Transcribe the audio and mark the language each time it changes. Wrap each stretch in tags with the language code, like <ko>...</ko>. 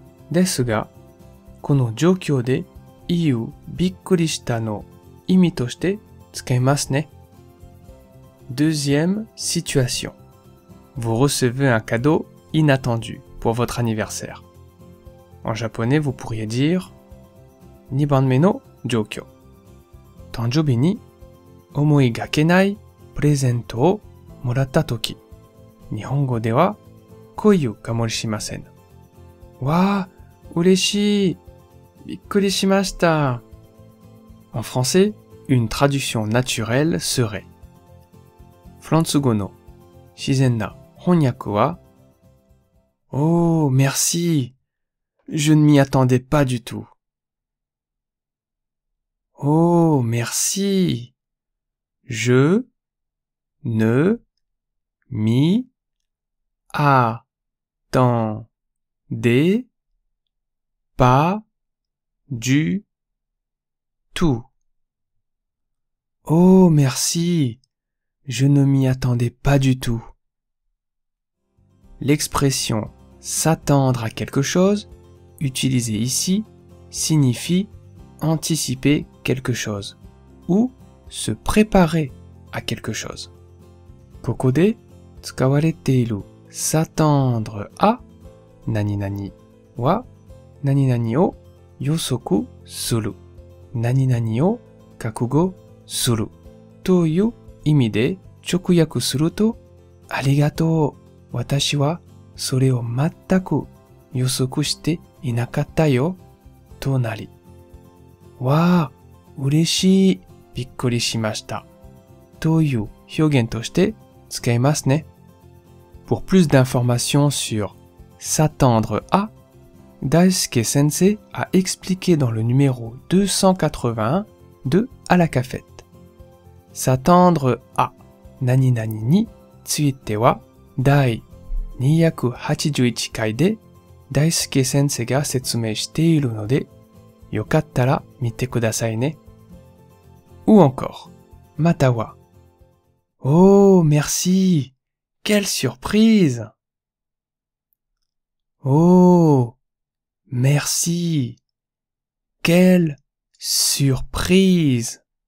<ja>ですが、この状況で言うびっくりしたの意味として使えますね。</ja> <fr>Deuxième situation. Vous recevez un cadeau inattendu pour votre anniversaire. En japonais, vous pourriez dire</fr> <ja>2番目の状況。誕生日に思いがけないプレゼントをもらったとき。日本語では、こういうかもしれません。わあ、嬉しい。びっくりしました。</ja> <fr>En français, une traduction naturelle serait.</fr> <ja>フランス語の自然な翻訳は、</ja> <fr>Oh, merci. Je ne m'y attendais pas du tout. Oh, merci. Je ne m'y attendez pas du tout. Oh, merci. Je ne m'y attendais pas du tout. l'expression s'attendre à quelque chose, utilisée ici, signifie anticiper quelque chose ou se préparer à quelque chose.</fr> <ja>ここで使われている s'attendre à 何々は何々を予測する何々を覚悟するという意味で直訳するとありがとう私はそれを全く予測していなかったよとなりわあ嬉しいびっくりしましたという表現として使えますね。</ja> <fr>Pour plus d'informations sur s'attendre àDaisuke Sensei a expliqué dans le numéro 281 de À la cafette.</fr> <ja>S'attendre à 何々については第281回で Daisuke Sensei が説明しているのでよかったら見てくださいね。</ja> <fr>Ou encore,</fr> <ja>または</ja> <fr>Oh, merci! Quelle surprise! Oh! Merci. Quelle surprise.</fr>